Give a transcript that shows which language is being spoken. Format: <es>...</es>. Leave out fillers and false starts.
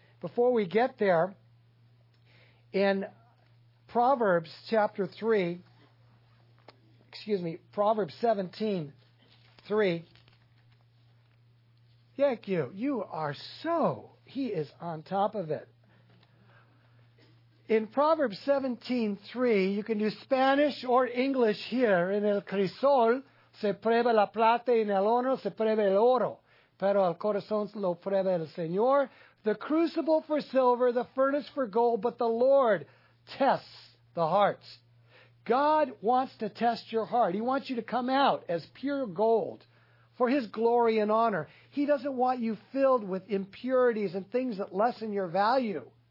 <en>Before we get there, in Proverbs chapter 3, Proverbs 17, 3. Thank you. You are so, he is on top of it. In Proverbs 17, 3, you can do Spanish or English here.</en> <es>En el crisol se prueba la plata y en el horno se prueba el oro. Pero el corazón lo prueba el Señor.</es> <en>The crucible for silver, the furnace for gold, but the Lord tests the hearts. God wants to test your heart. He wants you to come out as pure gold for His glory and honor. He doesn't want you filled with impurities and things that lessen your value.</en>